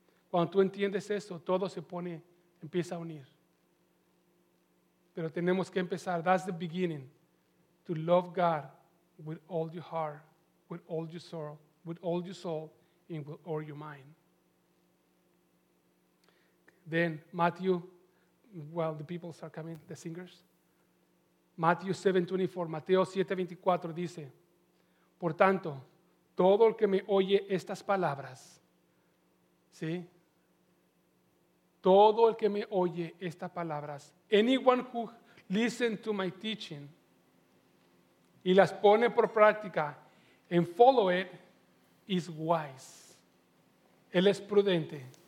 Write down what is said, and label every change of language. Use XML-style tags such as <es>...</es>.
<es>Cuando tú entiendes eso, todo se pone, empieza a unir. Pero tenemos que empezar,</es> <en>that's the beginning, to love God with all your heart, with all your soul, with all your soul, and with all your mind. Then Matthew, well, the people are coming, the singers.</en> <es>Mateo 7:24 dice, por tanto, todo el que me oye estas palabras, ¿sí? Todo el que me oye estas palabras,</es> <en>anyone who listens to my teaching</en> <es>y las pone por práctica</es> <en>and follow it is wise.</en> <es>Él es prudente.</es>